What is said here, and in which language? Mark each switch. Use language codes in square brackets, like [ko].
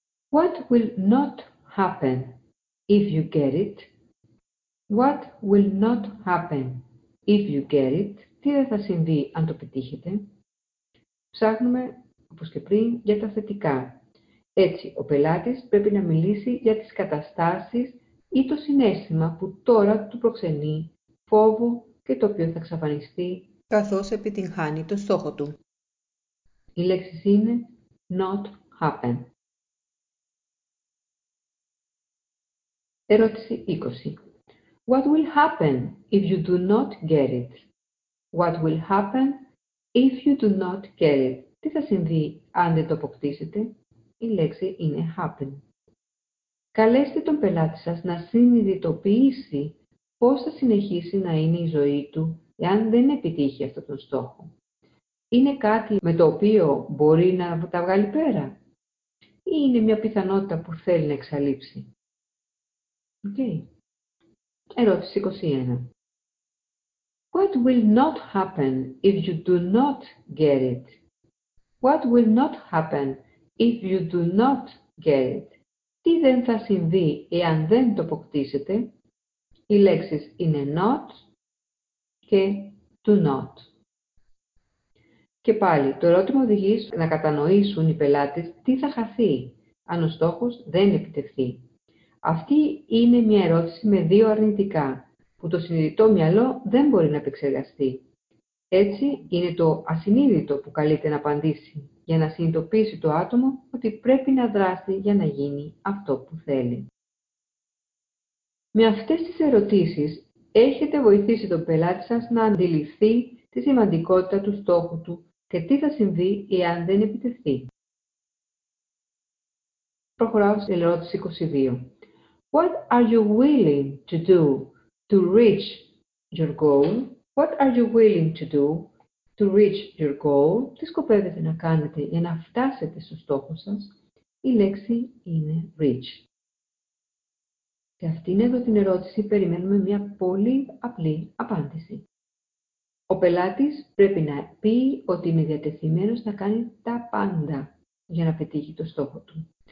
[en] What will not happen if you get it? What will not happen if you get it? [el] Τι δεν θα συμβεί αν το πετύχετε? Ψάχνουμε, όπως και πριν, για τα θετικά. Έτσι, ο πελάτης πρέπει να μιλήσει για τις καταστάσεις ή το συνέστημα που τώρα του προξενεί φόβο και το οποίο θα εξαφανιστεί καθώς επιτυγχάνει το στόχο του. Η λέξη είναι not happen. Ερώτηση 20. [en] What will happen if you do not get it? What will happen if you do not get it? [el] Τι θα συμβεί αν δεν το αποκτήσετε? Η λέξη είναι happen. Καλέστε τον πελάτη σας να συνειδητοποιήσει πώς θα συνεχίσει να είναι η ζωή του εάν δεν επιτύχει αυτόν τον στόχο. Είναι κάτι με το οποίο μπορεί να τα βγάλει πέρα? Ή είναι μια πιθανότητα που θέλει να εξαλείψει? Okay. Ερώτηση 21. [en] What will not happen if you do not get it? What will not happen if you do not get it? [el] Τι δεν θα συμβεί εάν δεν το αποκτήσετε? Οι λέξεις είναι not και do not. Και πάλι, το ερώτημα οδηγεί να κατανοήσουν οι πελάτες τι θα χαθεί αν ο στόχος δεν επιτευχθεί. Αυτή είναι μια ερώτηση με δύο αρνητικά που το συνειδητό μυαλό δεν μπορεί να επεξεργαστεί. Έτσι, είναι το ασυνείδητο που καλείται να απαντήσει για να συνειδητοποιήσει το άτομο ότι πρέπει να δράσει για να γίνει αυτό που θέλει. Με αυτές τις ερωτήσεις, έχετε βοηθήσει τον πελάτη σας να αντιληφθεί τη σημαντικότητα του στόχου του και τι θα συμβεί εάν δεν επιτευχθεί. Προχωράω στην ερώτηση 22. [en] What are you willing to do to reach your goal? What are you willing to do to reach your goal? [el] Τι σκοπεύετε να κάνετε για να φτάσετε στο στόχο σας? Η λέξη είναι reach. Σε αυτήν εδώ την ερώτηση περιμένουμε μια πολύ απλή απάντηση. Ο πελάτης πρέπει να πει ότι είναι διατεθειμένος να κάνει τα πάντα για να πετύχει το στόχο του.